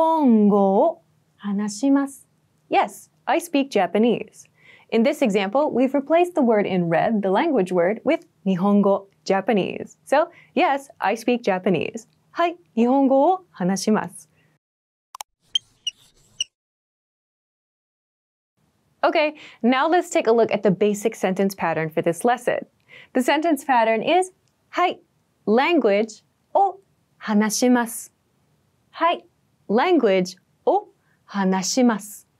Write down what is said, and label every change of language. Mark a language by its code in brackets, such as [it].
[ja] はい、日本語を話します。はい、日本語を話します。 [en] Yes, I speak Japanese. In this example, we've replaced the word in red, the language word, with 日本語, Japanese. So, yes, I speak Japanese. [ja] はい、日本語を話します。 [en] Okay, now let's take a look at the basic sentence pattern for this lesson. The sentence pattern is [ja] はい、language を話します。はい、language を話します。